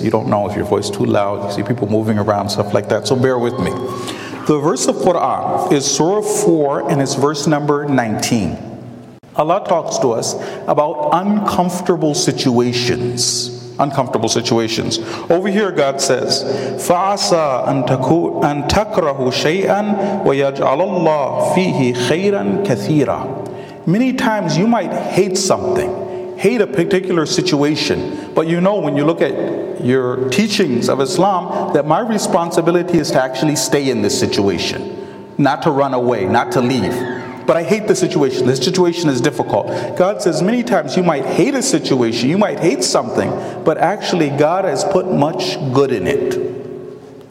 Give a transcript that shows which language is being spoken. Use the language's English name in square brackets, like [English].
[English] You don't know if your voice is too loud. You see people moving around, stuff like that. So bear with me. The verse of Quran is Surah 4 and it's verse number 19. Allah talks to us about uncomfortable situations. Uncomfortable situations. Over here, God says, [Arabic] فَعَسَىٰ أَن تَكْرَهُ شَيْئًا وَيَجْعَلَ اللَّهُ فِيهِ خَيْرًا كَثِيرًا. [English] Many times you might hate something. Hate a particular situation. But you know, when you look at your teachings of Islam, that my responsibility is to actually stay in this situation. Not to run away, not to leave. But I hate the situation. This situation is difficult. God says many times you might hate a situation, you might hate something, but actually God has put much good in it.